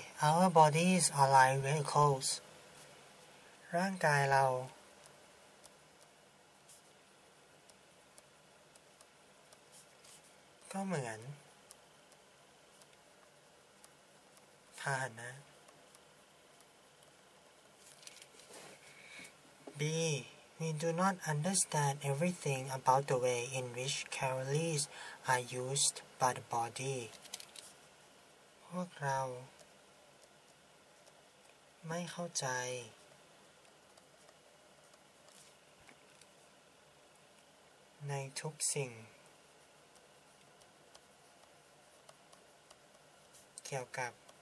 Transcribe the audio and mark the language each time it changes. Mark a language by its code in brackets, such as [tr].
[en] Our bodies are like vehicles. [th] ร่างกายเราก็เหมือนพาหนะ [en] B. We do not understand everything about the way in which calories are used by the body. [th] พวกเราไม่เข้าใจในทุกสิ่งเกี่ยวกับ